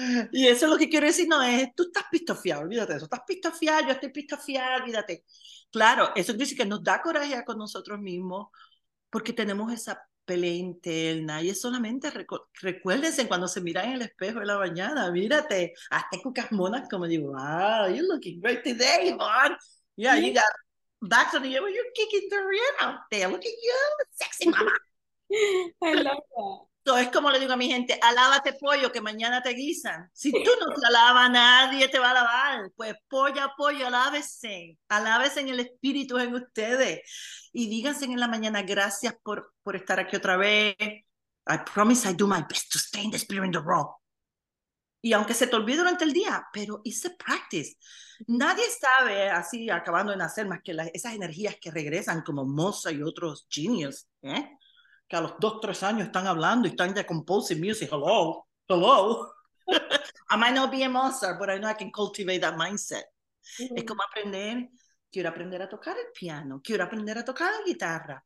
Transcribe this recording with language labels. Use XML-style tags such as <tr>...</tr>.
<es>Y eso es lo que quiero decir, no es, tú estás pistofiado, olvídate de eso. Estás pistofiado, yo estoy pistofiado, olvídate. Claro, eso dice que nos da coraje con nosotros mismos porque tenemos esa pelea interna y es solamente, recuérdense cuando se miran en el espejo de la mañana, mírate, hasta cucas monas como digo,</es> <en>wow, you're looking great today, Ivonne. Yeah, you got back to the year where you're kicking the rear out there. Look at you, sexy mama. I</en> <es>So es como le digo a mi gente, alábate pollo que mañana te guisan. Si tú no te alabas, nadie te va a alabar. Pues pollo, alábese. Alábese en el espíritu en ustedes. Y díganse en la mañana, gracias por estar aquí otra vez.</es> <en>I promise I do my best to stay in the spirit in the raw.</en> <es>Y aunque se te olvide durante el día, pero</es> <en>it's a practice.</en> <es>Nadie sabe así acabando de nacer más que esas energías que regresan como Mozart y otros genios, ¿eh? Que a los 2, 3 años están hablando y están ya</es> <en>composing music. Hello, hello. I might not be a Mozart, but I know I can cultivate that mindset.</en> <es>Es como aprender, quiero aprender a tocar el piano, quiero aprender a tocar la guitarra.</es>